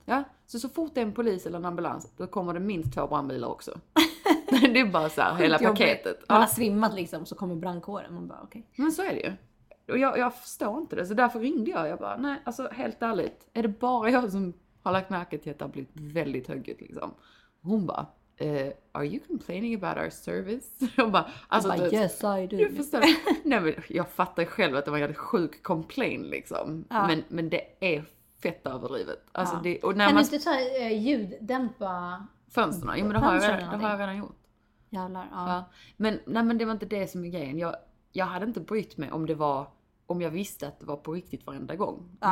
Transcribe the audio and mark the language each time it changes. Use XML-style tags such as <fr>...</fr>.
<sv>Ja, så fort det är en polis eller en ambulans, då kommer det minst 2 brandbilar också. Det är bara så här, hela paketet. Man har svimmat liksom, så kommer brandkåren. Man bara, okay. Men så är det ju. Och jag förstår inte det, så därför ringde jag. Jag bara, nej, alltså helt ärligt, är det bara jag som har lagt märke till att det har blivit väldigt högt liksom? Hon bara,</sv> <en>are you complaining about our service?</en> <sv>Hon bara, alltså, jag bara,</sv> <en>yes I do.</en> <sv>Du förstår. Nej, men jag fattar själv att det var en sjuk complaint liksom. Ja. Men det är fett överdrivet. Alltså, ja. Det, och när kan man... du ta ljuddämpa fönstren? Jo, men det har jag redan gjort. Jävlar, ja. Men, nej, men det var inte det som är grejen. Jag hade inte brytt mig om det var, om jag visste att det var på riktigt varenda gång. Ja.</sv>